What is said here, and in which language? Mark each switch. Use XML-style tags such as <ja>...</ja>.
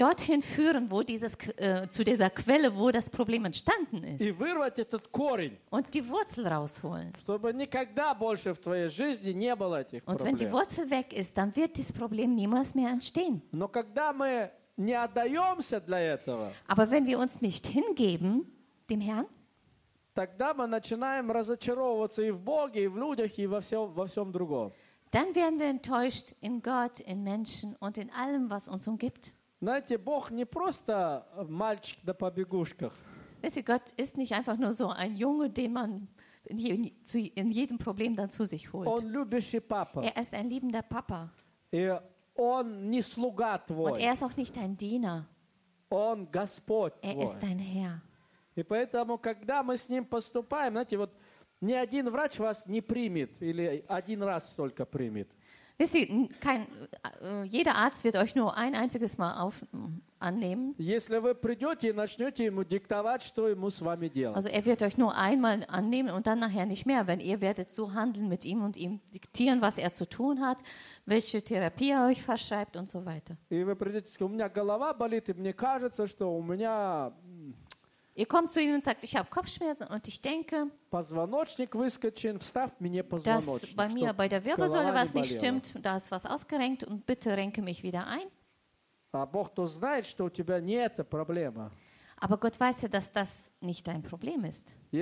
<de>dorthin führen, wo dieses, zu dieser Quelle, wo das Problem entstanden ist. Und die Wurzel rausholen. Und wenn die Wurzel weg ist, dann wird dieses Problem niemals mehr entstehen.</de> <ru>Мы не отдаемся для этого.</ru> <de>Aber wenn wir uns nicht hingeben dem Herrn,</de> <ru>тогда мы начинаем разочаровываться и в Боге, и в людях, и во всем другом.</ru> <de>Dann werden wir enttäuscht in Gott, in Menschen und in allem, was uns umgibt.</de> <ru>Знаете, Бог не просто мальчик на побегушках.</ru> <de>Weißt du, Gott ist nicht einfach nur so ein Junge, den man in jedem Problem dann zu sich holt.</de> <ru>Он любящий папа.</ru> <de>Er ist ein liebender Papa.</de> <ru>Он не слуга твой.</ru> <de>Und er ist auch nicht dein Diener.</de> <ru>Он Господь</ru> <de>er</de> <ru>твой.</ru> <de>Ist dein Herr.</de> <ru>И поэтому, когда мы с ним поступаем, знаете, вот ни один врач вас не примет или один раз только примет.</ru> <de>Wisst ihr, jeder Arzt wird euch nur ein einziges Mal annehmen.</de> <ru>Если вы придете и начнете ему диктовать, что ему с вами делать.</ru> <de>Also er wird euch nur einmal annehmen und dann nachher nicht mehr, wenn ihr werdet so handeln mit ihm und ihm diktieren, was er zu tun hat, welche Therapie er euch verschreibt und so weiter.</de> <ru>И вы придете, у меня голова болит, и мне кажется, что у меня...</ru> <de>Ihr kommt zu ihm und sagt, ich habe Kopfschmerzen und ich denke, dass bei mir bei der Wirbelsäule was nicht stimmt, da ist was ausgerenkt und bitte renke mich wieder ein. Aber Gott weiß ja, dass das nicht dein Problem ist.</de>